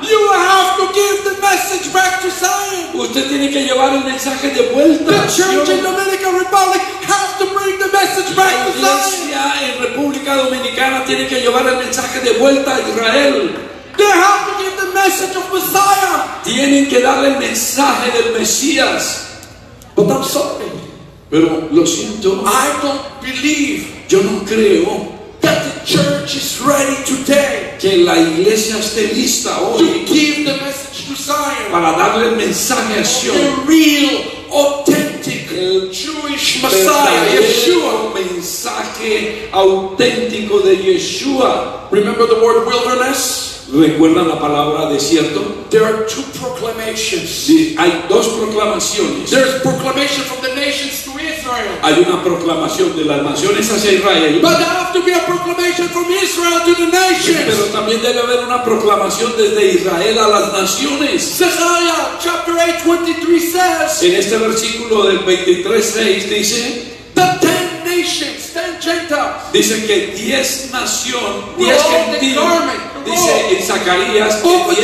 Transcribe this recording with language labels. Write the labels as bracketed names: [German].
[English] You have to give the message back to Zion. [Spanish] Usted tiene que llevar el mensaje de vuelta. [English] The church in Dominican Republic has to bring the message back to Zion. [Spanish] La iglesia en República Dominicana tiene que llevar el mensaje de vuelta a Israel. [English] They have to give the message of Messiah. [Spanish] Tienen que darle el mensaje del Mesías. [English] But I'm sorry. [Spanish] Pero lo siento. [English] I don't believe. [Spanish] Yo no creo. [English] That the church is ready today. [Spanish] Que la iglesia esté lista hoy. [English] To give the message to Zion. [Spanish] Para darle el mensaje a Sion. [English] The real, authentic, [Spanish] el [English] Jewish Messiah, Yeshua. [Spanish] El mensaje auténtico de Yeshua. [English] Remember the word wilderness? [Spanish] ¿Recuerdan la palabra desierto? [English] There are two proclamations. [Spanish] Sí, hay dos proclamaciones. [English] There's proclamation from the nations to Israel. [Spanish] Hay una proclamación de las naciones hacia Israel. [English] But there have to be a proclamation from Israel to the nations. [Spanish] Pero también debe haber una proclamación desde Israel a las naciones. [English] Isaiah chapter 8, 23 says. [Spanish] En este versículo del 23:6 dice. [English] The ten nations, ten Gentiles. [Spanish] Dice que 10 naciones, 10 gentiles. Dice en Zacarías que